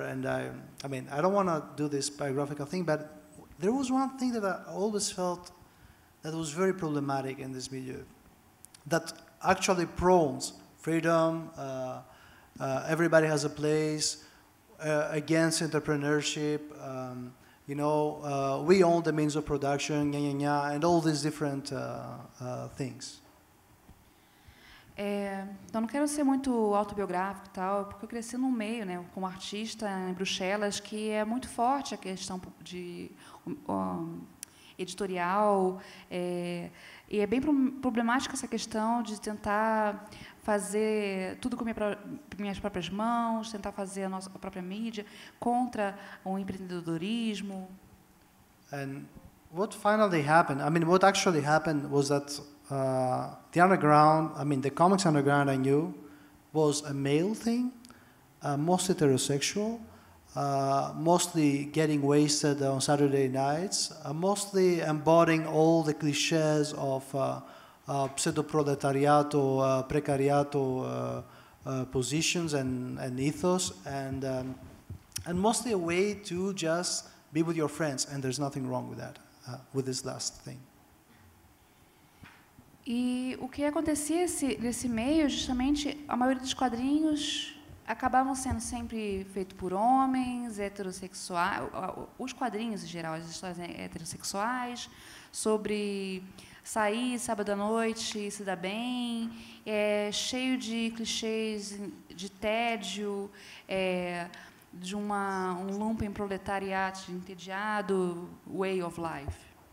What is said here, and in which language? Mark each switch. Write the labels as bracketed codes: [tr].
[en] And I mean, I don't want to do this biographical thing, but there was one thing that I always felt that was very problematic in this milieu, that actually prones freedom, everybody has a place, against entrepreneurship, we own the means of production, and all these different things. [pt] Então, não quero ser muito autobiográfico e tal, porque eu cresci num meio, né, como artista em Bruxelas, que é muito forte a questão de editorial, e é bem problemática essa questão de tentar fazer tudo com minhas próprias mãos, tentar fazer a nossa própria mídia contra o empreendedorismo. [en] And what finally happened? I mean, what actually happened was that the underground, I mean, the comics underground I knew, was a male thing, mostly heterosexual, mostly getting wasted on Saturday nights, mostly embodying all the cliches of pseudo-proletariato, precariato positions and ethos, and mostly a way to just be with your friends, and there's nothing wrong with that, with this last thing. [pt] E o que acontecia nesse meio, justamente, a maioria dos quadrinhos acabavam sendo sempre feito por homens, heterossexuais, os quadrinhos em geral, as histórias heterossexuais, sobre sair sábado à noite, se dar bem, cheio de clichês de tédio, de um lumpen proletariat entediado, [en] way of life.